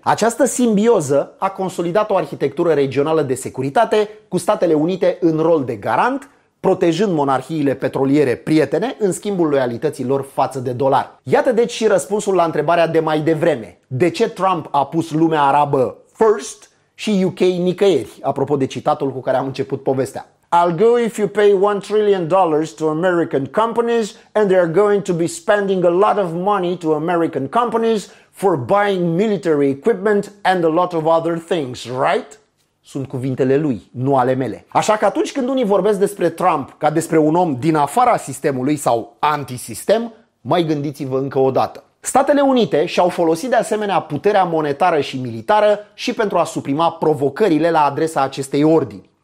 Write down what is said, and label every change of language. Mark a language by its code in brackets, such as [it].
[ro] Această simbioză a consolidat o arhitectură regională de securitate cu Statele Unite în rol de garant, protejând monarhiile petroliere prietene în schimbul loialității lor față de dolar. Iată deci și răspunsul la întrebarea de mai devreme. De ce Trump a pus lumea arabă first și UK nicăieri? Apropo de citatul cu care am început povestea. [en] I'll go if you pay $1 trillion to American companies and they're going to be spending a lot of money to American companies for buying military equipment and a lot of other things, right? [ro] Sunt cuvintele lui, nu ale mele. Așa că atunci când unii vorbesc despre Trump ca despre un om din afara sistemului sau antisistem, mai gândiți-vă încă o dată. Statele Unite și-au folosit de asemenea puterea monetară și militară și pentru a suprima provocările la adresa acestei ordini.